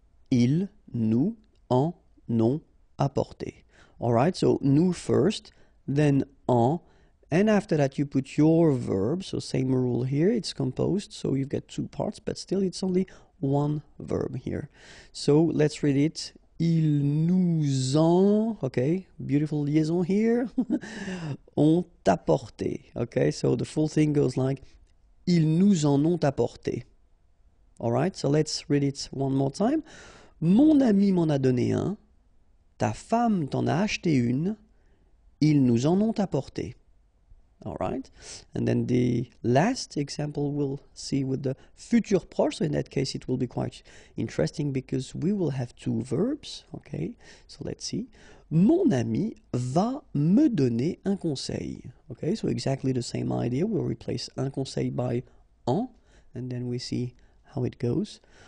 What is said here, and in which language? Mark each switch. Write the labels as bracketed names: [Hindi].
[French] Ils nous en ont apporté. All right? [English] So, nous first, then en. And after that, you put your verb. So, same rule here. It's composed. So, you've got two parts, but still, it's only one verb here. So, let's read it. [French] Ils nous en, okay, [English] beautiful liaison here, [French] ont apporté. [English] Okay, so the full thing goes like, [French] ils nous en ont apporté. [English] All right, so let's read it one more time. [French] Mon ami m'en a donné un, ta femme t'en a acheté une, ils nous en ont apporté. [English] All right, and then the last example we'll see with the future proche. So in that case, it will be quite interesting because we will have two verbs. Okay, so let's see. [French] Mon ami va me donner un conseil. [English] Okay, so exactly the same idea. We'll replace un conseil by en, and then we see how it goes.